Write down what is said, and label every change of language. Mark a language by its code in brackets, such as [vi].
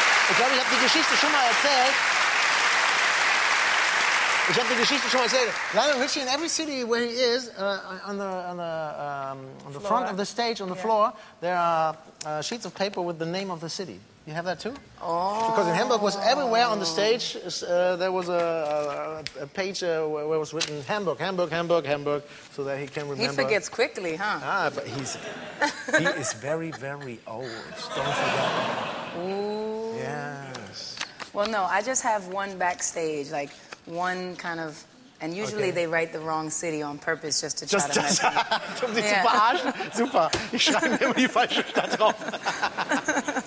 [de] Ich glaube, ich habe die Geschichte schon mal erzählt. Ich habe die Geschichte schon mal erzählt. [en] Lionel Richie in every city where he is, on the front of the stage, on the floor, there are sheets of paper with the name of the city. You have that too? Oh. Because in Hamburg was everywhere on the stage, there was a page where it was written Hamburg, Hamburg, Hamburg, Hamburg, so that he can remember. He forgets quickly, huh? Ah, but he is very, very old. Don't forget. Ooh. Yes. Well, no, I just have one backstage, like one kind of. And usually they write the wrong city on purpose just to try just, to mess up. [de] Um sie zu verarschen? Super. Ich schreibe mir immer die falsche Stadt drauf.